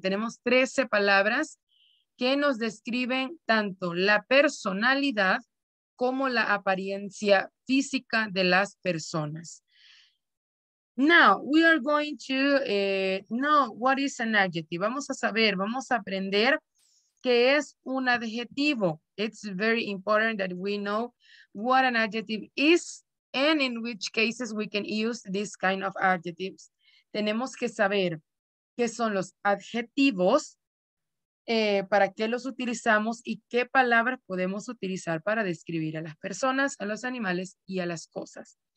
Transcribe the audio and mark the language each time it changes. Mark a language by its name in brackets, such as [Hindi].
[Spanish] Tenemos 13 palabras que nos describen tanto la personalidad como la apariencia física de las personas. [English] Now, we are going to know what is an adjective. [Spanish] Vamos a saber, vamos a aprender qué es un adjetivo. [English] It's very important that we know what an adjective is and in which cases we can use this kind of adjectives. [Spanish] Tenemos que saber qué son los adjetivos, para qué los utilizamos y qué palabras podemos utilizar para describir a las personas, a los animales y a las cosas.